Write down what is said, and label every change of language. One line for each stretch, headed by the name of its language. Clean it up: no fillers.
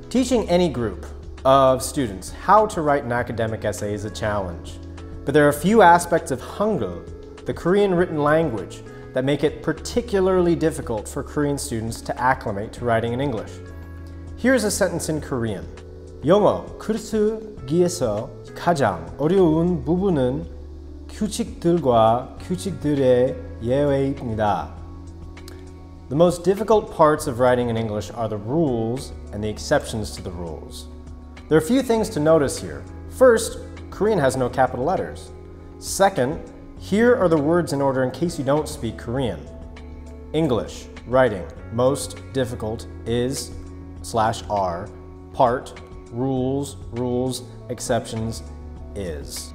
English: Teaching any group of students how to write an academic essay is a challenge. But there are a few aspects of Hangul, the Korean written language, that make it particularly difficult for Korean students to acclimate to writing in English. Here's a sentence in Korean.
Korean: 영어 글쓰기에서 가장 어려운 부분은 규칙들과 규칙들의 예외입니다.
English: The most difficult parts of writing in English are the rules and the exceptions to the rules. There are a few things to notice here. First, Korean has no capital letters. Second, here are the words in order in case you don't speak Korean. English, writing, most difficult, is, / are, part, rules, rules, exceptions, is.